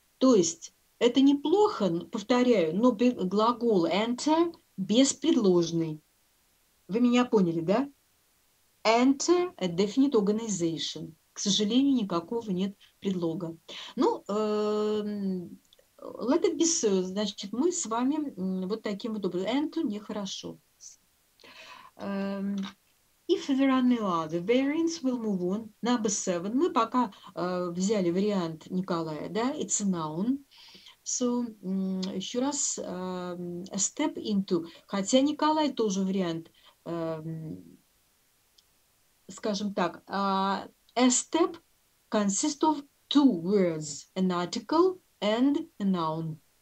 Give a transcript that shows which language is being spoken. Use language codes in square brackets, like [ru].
[ru] То есть это неплохо, повторяю, но глагол enter беспредложный. Вы меня поняли, да? Enter a definite organization. К сожалению, никакого нет предлога. [en] Ну, let it be so. [ru] Значит, мы с вами вот таким вот образом. Enter нехорошо. [en] If there are no other variants, we'll move on. Number seven. [ru] Мы пока взяли вариант Николая, да? [en] It's a noun. So, еще раз, a step into. Хотя Николай тоже вариант, скажем так, a step consists of two words, an article and a noun.